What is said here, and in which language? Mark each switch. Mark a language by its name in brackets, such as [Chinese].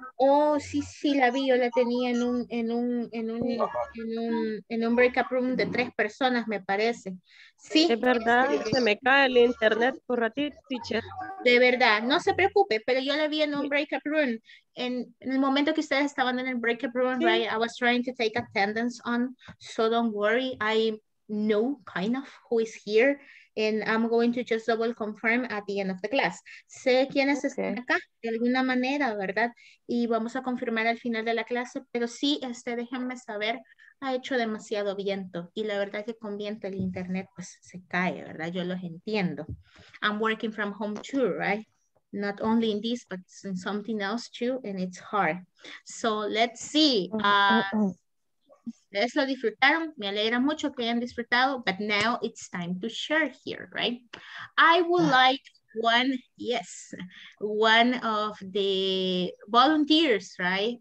[Spanish] Oh, sí, sí, la vi. Yo la tenía en un breakout room de tres personas, me parece. Sí. Es verdad, se me cae el internet por ratito, teacher. De verdad, no se preocupe, pero yo la vi en un breakout room. En el momento que ustedes estaban en el breakout room, sí. [English] Right, I was trying to take attendance on, so don't worry, I know kind of who is here, and I'm going to just double confirm at the end of the class. [Spanish] Sé quiénes okay. están acá, de alguna manera, ¿verdad? Y vamos a confirmar al final de la clase, pero sí, déjenme saber, ha hecho demasiado viento, y la verdad que con viento el internet, pues, se cae, ¿verdad? Yo los entiendo. [English] I'm working from home too, right? Not only in this, but in something else too, and it's hard. So, let's see. [Spanish] Ustedes lo disfrutaron, me alegra mucho que hayan disfrutado, [English] but now it's time to share here, right? I would like one of the volunteers, right?